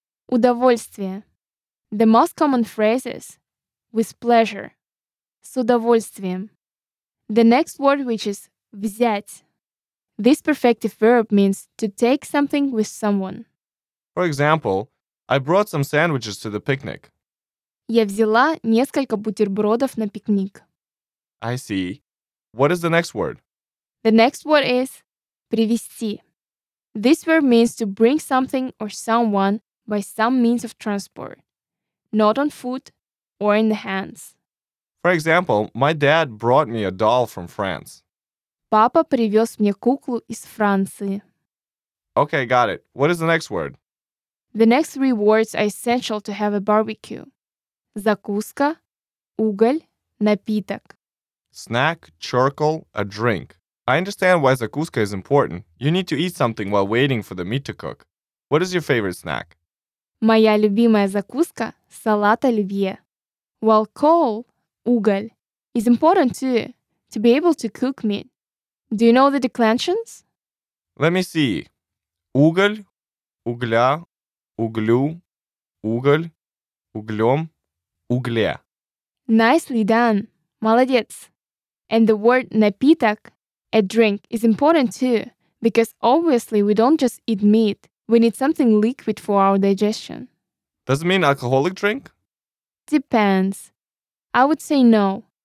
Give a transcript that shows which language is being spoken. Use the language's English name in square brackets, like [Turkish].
[English] Удовольствие. The most common phrase is with pleasure, с удовольствием. The next word, which is взять. This perfective verb means to take something with someone. For example, I brought some sandwiches to the picnic. [Russian] Я взяла несколько бутербродов на пикник. [English] I see. What is the next word? The next word is привести. This verb means to bring something or someone by some means of transport. Not on foot or in the hands. For example, my dad brought me a doll from France. [Russian] Папа привез мне куклу из Франции. [English] Okay, got it. What is the next word? The next three words are essential to have a barbecue. [Russian] Закуска, уголь, напиток. [English] Snack, charcoal, a drink. I understand why закуска is important. You need to eat something while waiting for the meat to cook. What is your favorite snack? [Russian] Моя любимая закуска – салат оливье. [English] While coal, уголь, is important too, to be able to cook meat. Do you know the declensions? Let me see. [Russian] Уголь, угля, углю, уголь, углем, угле. [English] Nicely done. Молодец. And the word напиток, a drink, is important too, because obviously we don't just eat meat. We need something liquid for our digestion. Does it mean alcoholic drink? Depends. I would say no.